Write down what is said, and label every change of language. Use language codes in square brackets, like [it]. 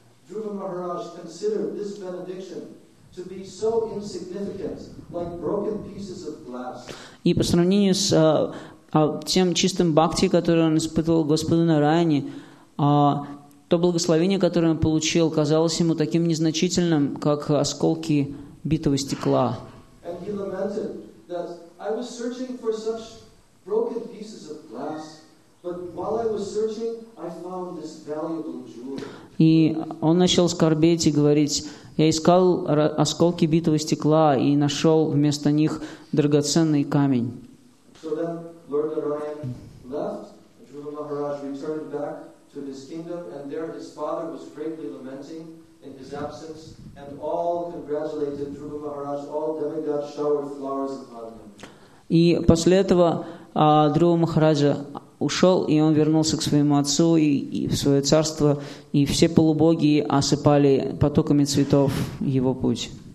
[en] Druva Maharaj considered this benediction to be so insignificant, like broken pieces of glass. [ru] И по сравнению с тем чистым бхакти, который он испытывал Господу Нараяне, то благословение, которое он получил, казалось ему таким незначительным, как осколки битого стекла. [en] And he lamented that I was searching for such broken pieces of glass, but while I was searching, I found this valuable jewel. [ru] И он начал скорбеть и говорить: я искал осколки битого стекла и нашел вместо них драгоценный камень. [en] So then Lord Narayan left, Dhruva Maharaj returned back to his kingdom, and there his father was greatly lamenting in his absence, and all congratulated Dhruva Maharaj, all demigods showered flowers upon him. [ru] И после этого Дхрува Махараджа ушел, и он вернулся к своему отцу и в свое царство, и все полубоги осыпали потоками цветов его путь.